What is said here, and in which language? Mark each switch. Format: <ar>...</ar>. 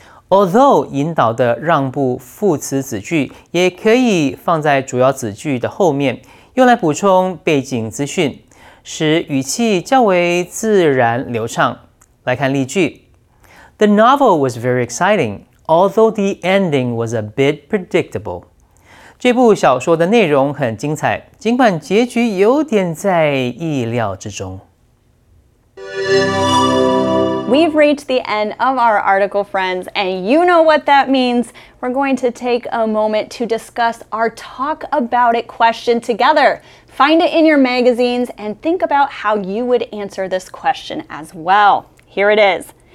<zh>Although 引导的让步副词子句也可以放在主要子句的后面，用来补充背景资讯，使语气较为自然流畅。来看例句。</zh> <en>The novel was very exciting, although the ending was a bit predictable.</en> <zh>这部小说的内容很精彩，尽管结局有点在意料之中。</zh> <en>We've reached the end of our article, friends, and you know what that means. We're going to take a moment to discuss our talk about it question together. Find it in your magazines and think about how you would answer this question as well. Here it is.</en>